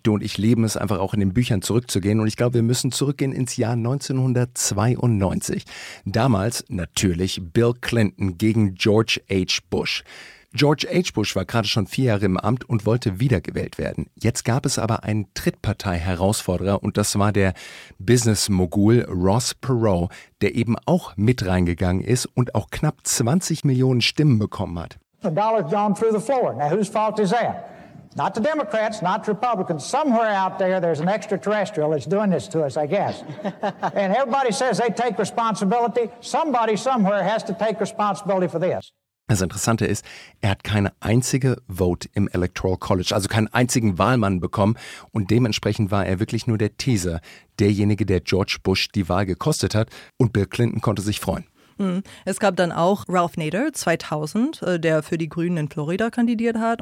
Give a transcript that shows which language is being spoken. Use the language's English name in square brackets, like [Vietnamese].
[German] Du und ich lieben es einfach auch in den Büchern zurückzugehen. Und ich glaube, wir müssen zurückgehen ins Jahr 1992. Damals natürlich Bill Clinton gegen George H. Bush. George H. Bush war gerade schon 4 Jahre im Amt und wollte wiedergewählt werden. Jetzt gab es aber einen Drittpartei-Herausforderer und das war der Business-Mogul Ross Perot, der eben auch mit reingegangen ist und auch knapp 20 Millionen Stimmen bekommen hat. [English] The dollar's gone through the floor. Now whose fault is that? Not the Democrats, not the Republicans. Somewhere out there, there's an extraterrestrial that's doing this to us, I guess. And everybody says they take responsibility. Somebody somewhere has to take responsibility for this. [German] Das Interessante ist, er hat keine einzige Vote im Electoral College, also keinen einzigen Wahlmann bekommen. Und dementsprechend war er wirklich nur der Teaser, derjenige, der George Bush die Wahl gekostet hat. Und Bill Clinton konnte sich freuen. Es gab dann auch Ralph Nader 2000, der für die Grünen in Florida kandidiert hat.